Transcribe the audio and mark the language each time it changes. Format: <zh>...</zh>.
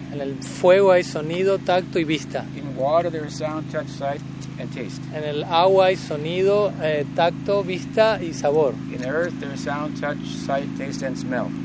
<es>En el fuego hay sonido, tacto y vista.</es> <en>In water there is sound, touch, sight and taste.</en> <es>En el agua hay sonido, tacto, vista y sabor.</es> <en>In earth there is sound, touch, sight, taste and smell.</en>